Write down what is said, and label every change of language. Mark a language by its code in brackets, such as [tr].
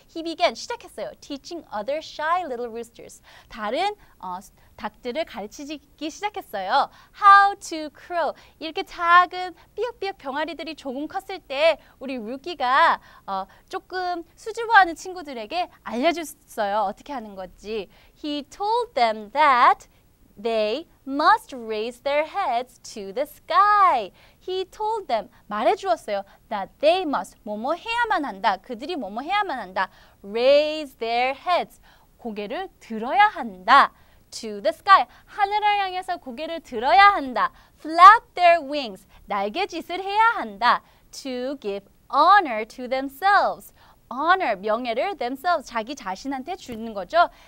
[en] He began, [ko] 시작했어요. [en] Teaching other shy little roosters. [ko] 다른 닭들을 가르치기 시작했어요. [en] How to crow. [ko] 이렇게 작은 삐약삐약 병아리들이 조금 컸을 때 우리 루키가 조금 수줍어하는 친구들에게 알려줬어요. 어떻게 하는 건지. [en] He told them that they must raise their heads to the sky. He told them, [ko] 말해주었어요. [en] That they must, [ko] 뭐뭐 해야만 한다. 그들이 뭐뭐 해야만 한다. [en] Raise their heads. [ko] 고개를 들어야 한다. [en] To the sky. [ko] 하늘을 향해서 고개를 들어야 한다. [en] Flap their wings. [ko] 날개짓을 해야 한다. [en] To give honor to themselves. Honor, [ko] 명예를 [en] themselves, [ko] 자기 자신한테 주는 거죠.